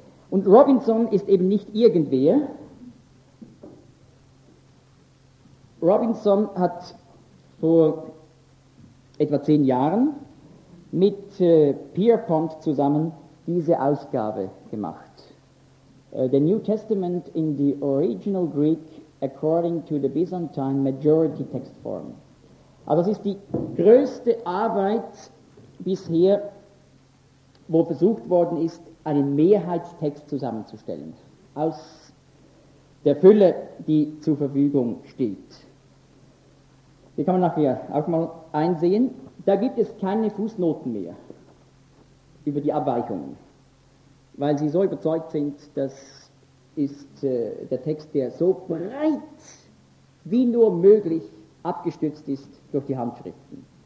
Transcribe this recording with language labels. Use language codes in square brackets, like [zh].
[de] Und Robinson ist eben nicht irgendwer. Robinson hat vor etwa 10 Jahren mit Pierpont zusammen diese Ausgabe gemacht. [en] The New Testament in the Original Greek according to the Byzantine Majority Text Form. [de] Also das ist die größte Arbeit bisher, wo versucht worden ist, einen Mehrheitstext zusammenzustellen, aus der Fülle, die zur Verfügung steht. Die kann man nachher auch mal einsehen. Da gibt es keine Fußnoten mehr über die Abweichungen, weil sie so überzeugt sind, das ist der Text, der so breit wie nur möglich abgestützt ist durch die Handschriften.